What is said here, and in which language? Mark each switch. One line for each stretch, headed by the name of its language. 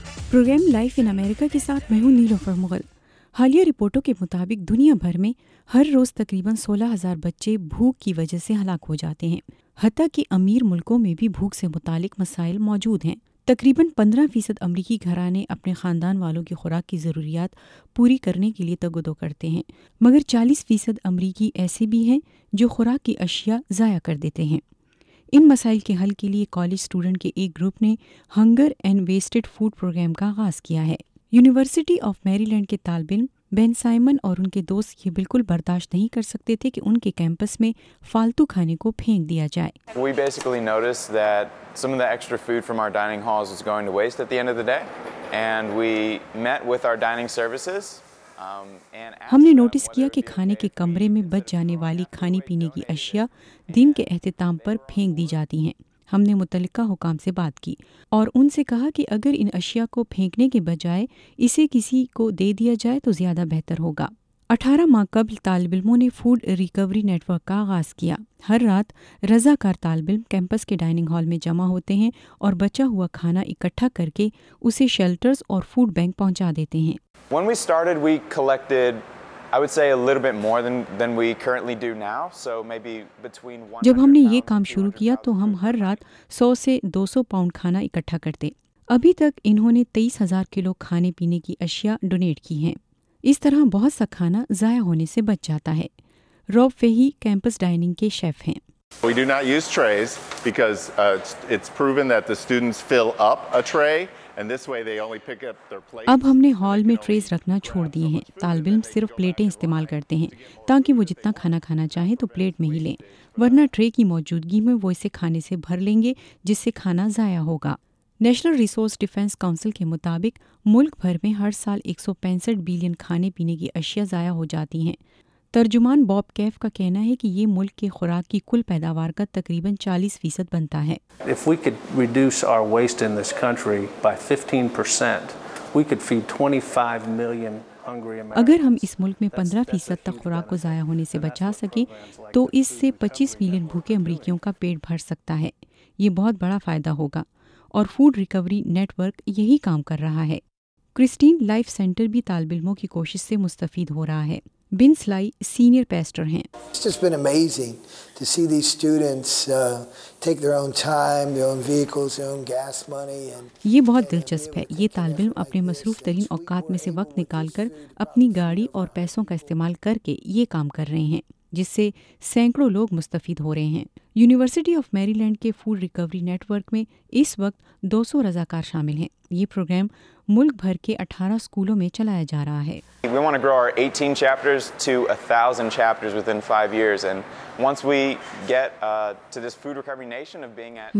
Urdu: Programme life ان امریکہ کے ساتھ میں ہوں نیلوفر مغل۔ حالیہ رپورٹوں کے مطابق دنیا بھر میں ہر روز تقریباً 16,000 بچے بھوک کی وجہ سے ہلاک ہو جاتے ہیں، حتیٰ کہ امیر ملکوں میں بھی بھوک سے متعلق مسائل موجود ہیں۔ تقریباً 15% امریکی گھرانے اپنے خاندان والوں کی خوراک کی ضروریات پوری کرنے کے لیے تگ و دو کرتے ہیں، مگر 40% امریکی ایسے بھی ہیں جو خوراک کی اشیاء ضائع کر دیتے ہیں۔ ان مسائل کے حل کے لیے کالج اسٹوڈنٹ کے ایک گروپ نے hunger and vested food programme کا آغاز کیا ہے۔ یونیورسٹی آف میری لینڈ کے طالب علم بین سائمن اور ان کے دوست یہ بالکل برداشت نہیں کر سکتے تھے کہ ان کے کیمپس میں فالتو کھانے کو پھینک دیا جائے۔
English: We basically noticed that some of the extra food from our dining halls was going to waste at the end of the day, and we met with our dining services.
Urdu: ہم نے notice کیا کہ کھانے کے کمرے میں بچ جانے والی کھانے پینے کی اشیاء دن کے اختتام پر پھینک دی جاتی ہیں۔ ہم نے متعلقہ حکام سے بات کی اور ان سے کہا کہ اگر ان اشیاء کو پھینکنے کے بجائے اسے کسی کو دے دیا جائے تو زیادہ بہتر ہوگا۔ 18 ماہ قبل طالب علموں نے فوڈ ریکوری نیٹ ورک کا آغاز کیا۔ ہر رات رضا کار طالب علم کیمپس کے ڈائننگ ہال میں جمع ہوتے ہیں اور بچا ہوا کھانا اکٹھا کر کے اسے شیلٹرز اور فوڈ بینک پہنچا دیتے ہیں۔
English: When we started, we collected, I would say, a little bit more than we currently do now. So maybe between 100
Urdu: جب ہم نے یہ کام شروع کیا تو ہم ہر رات 100 سے 200 پاؤنڈ کھانا اکٹھا کرتے۔ ابھی تک انہوں نے 23,000 کلو کھانے پینے کی اشیاء ڈونیٹ کی ہیں۔ اس طرح بہت سا کھانا ضائع ہونے سے بچ جاتا ہے۔ روب فہی کیمپس ڈائننگ کے شیف ہیں۔
English: We do not use trays because it's proven that the students fill up a tray and this way they only pick up their plates.
Urdu: اب ہم نے ہال میں ٹریز رکھنا چھوڑ دیے ہیں۔ طالب علم صرف پلیٹیں استعمال کرتے ہیں تاکہ وہ جتنا کھانا کھانا چاہیں تو پلیٹ میں ہی لیں، ورنہ ٹرے کی موجودگی میں وہ اسے کھانے سے بھر لیں گے جس سے کھانا ضائع ہوگا۔ نیشنل ریسورس ڈیفینس کونسل کے مطابق ملک بھر میں ہر سال 165 بلین کھانے پینے کی اشیاء ضائع ہو جاتی ہیں۔ ترجمان باب کیف کا کہنا ہے کہ یہ ملک کے خوراک کی کل پیداوار کا تقریباً 40% بنتا ہے۔
English: If we could reduce our waste in this country by 15%, we could feed 25 million hungry Americans.
Urdu: اگر ہم اس ملک میں 15% تک خوراک کو ضائع ہونے سے بچا سکیں تو اس سے 25 ملین بھوکے امریکیوں کا پیٹ بھر سکتا ہے۔ یہ بہت بڑا فائدہ ہوگا اور فوڈ ریکوری نیٹ ورک یہی کام کر رہا ہے۔ کرسٹین لائف سینٹر بھی طالب علموں کی کوشش سے مستفید ہو رہا ہے۔ بن سلائی سینئر پیسٹر ہیں۔
English: It's been amazing to see these students take their own time, their own vehicles, their own gas money and
Urdu: یہ بہت دلچسپ ہے۔ یہ طالب علم اپنے مصروف ترین اوقات میں سے وقت نکال کر اپنی گاڑی اور پیسوں کا استعمال کر کے یہ کام کر رہے ہیں جس سے سینکڑوں لوگ مستفید ہو رہے ہیں۔ یونیورسٹی آف میری لینڈ کے فوڈ ریکوری نیٹ ورک میں اس وقت 200 رضاکار شامل ہیں۔ یہ پروگرام ملک بھر کے 18 سکولوں میں چلایا جا رہا ہے۔
English: We want to grow our 18 chapters to 1000 chapters within 5 years and once we get to this food recovery nation of being at